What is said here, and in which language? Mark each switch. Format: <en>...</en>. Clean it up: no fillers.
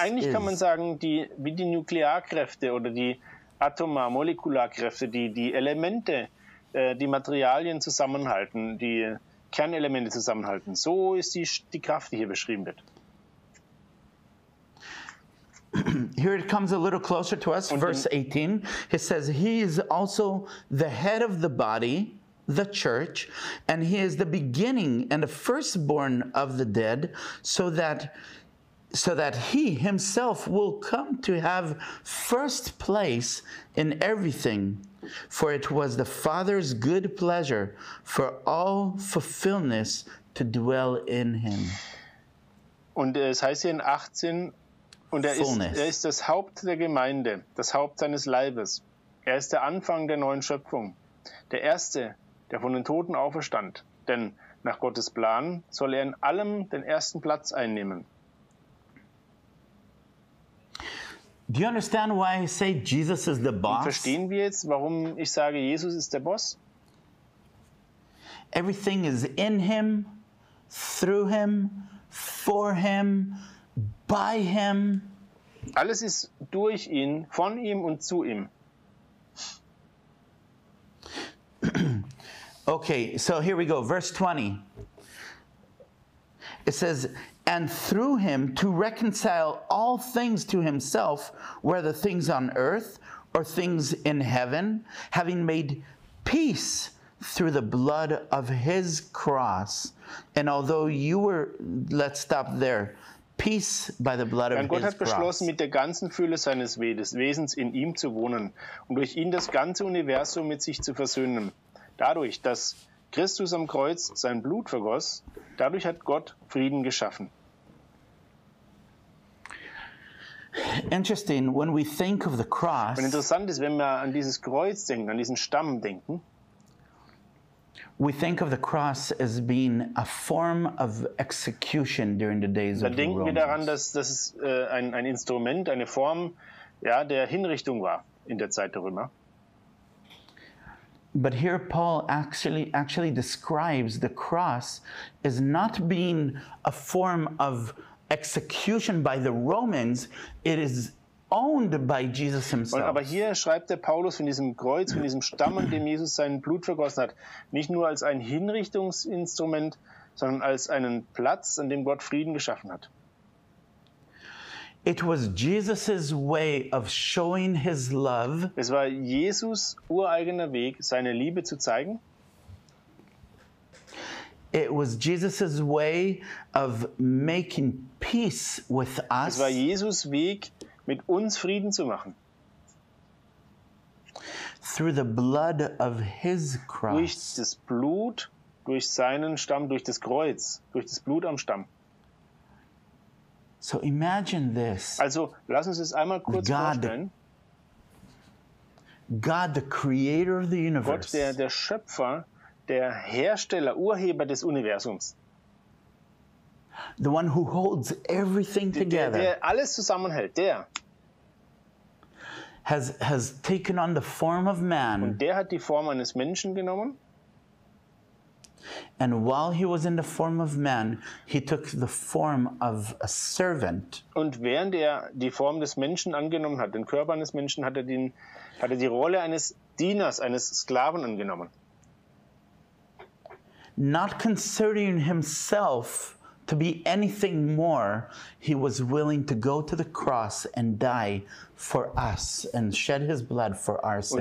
<en>is.</en> <de>Und eigentlich</de> <en>is.</en> <de>Kann man sagen, wie die Nuklearkräfte oder die atomar molekularkräfte, die Elemente, die Materialien zusammenhalten, die Kernelemente zusammenhalten. So ist die Kraft, die hier beschrieben wird.</de> <en>Here it comes a little closer to us, verse 18. He says, he is also the head of the body, the church, and he is the beginning and the firstborn of the dead, so that he himself will come to have first place in everything. For it was the Father's good pleasure for all fulfillment to dwell in him.</en> <de>Und es heißt hier in 18, und er ist das Haupt der Gemeinde, das Haupt seines Leibes. Er ist der Anfang der neuen Schöpfung, der Erste, der von den Toten auferstand. Denn nach Gottes Plan soll er in allem den ersten Platz einnehmen.</de> <en>Do you understand why I say Jesus is the boss?</en> <de>Und verstehen wir jetzt, warum ich sage, Jesus ist der Boss?</de> <en>Everything is in him, through him, for him, by him.</en> <de>Alles ist durch ihn, von ihm und zu ihm.</de> <en>Okay, so here we go, verse 20. It says, and through him to reconcile all things to himself, whether things on earth or things in heaven, having made peace through the blood of his cross. And although you were, let's stop there, peace by the blood of</en> <de>Gott hat beschlossen,</de> <en>cross.</en> <de>Mit der ganzen Fülle seines Wesens in ihm zu wohnen und durch ihn das ganze Universum mit sich zu versöhnen. Dadurch, dass Christus am Kreuz sein Blut vergoss, dadurch hat Gott Frieden geschaffen.</de> <en>Interesting, when we think of the cross,</en> <de>und interessant ist, wenn wir an dieses Kreuz denken, an diesen Stamm denken,</de> <en>we think of the cross as being a form of execution during the days of the Romans.</en> <de>Da denken wir daran, dass es ein Instrument, eine Form, ja, der Hinrichtung war in der Zeit der Römer.</de> <en>But here Paul actually describes the cross as not being a form of execution by the Romans. It is owned by Jesus himself.</en> <de>Aber hier schreibt der Paulus von diesem Kreuz, von diesem Stamm, an dem Jesus sein Blut vergossen hat, nicht nur als ein Hinrichtungsinstrument, sondern als einen Platz, an dem Gott Frieden geschaffen hat.</de> <en>It was Jesus's way of showing his love.</en> <de>Es war Jesus' ureigener Weg, seine Liebe zu zeigen.</de> <en>It was Jesus's way of making peace with us.</en> <de>Es war Jesus' Weg, mit uns Frieden zu machen.</de> <en>Through the blood of his cross.</en> <de>Durch das Blut, durch seinen Stamm, durch das Kreuz, durch das Blut am Stamm.</de> <en>So imagine this.</en> <de>Also, lass uns es einmal kurz vorstellen.</de> <en>God, the creator of the universe.</en> <de>Gott, der Schöpfer, der Hersteller, Urheber des Universums.</de> <en>The one who holds everything together.</en> <de>Der alles zusammenhält, der.</de> <en>Has taken on the form of man.</en> <de>Und der hat die Form eines Menschen genommen.</de> <en>And while he was in the form of man, he took the form of a servant.</en> <de>Und während er die Form des Menschen angenommen hat, den Körper eines Menschen, hat er die Rolle eines Dieners, eines Sklaven angenommen.</de> <en>Not considering himself to be anything more, he was willing to go to the cross and die for us and shed his blood for our sins.</en>